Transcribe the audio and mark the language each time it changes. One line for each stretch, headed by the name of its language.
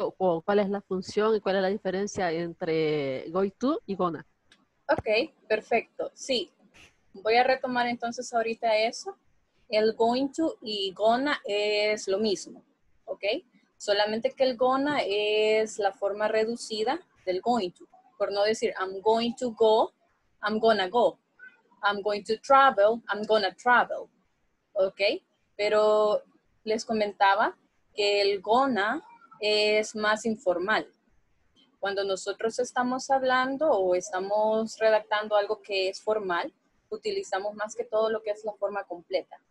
Spanish: ¿O cuál es la función y cuál es la diferencia entre goitu y gona? Ok, perfecto. Sí, voy a retomar entonces ahorita eso. El going to y gonna es lo mismo, ¿ok? Solamente que el gonna es la forma reducida del going to. Por no decir,
English: I'm going to go, I'm gonna go. I'm going to travel, I'm gonna travel. ¿Ok?
Spanish: Pero les comentaba que el gonna es más informal. Cuando nosotros estamos hablando o estamos redactando algo que es formal, utilizamos más que todo lo que es la forma completa.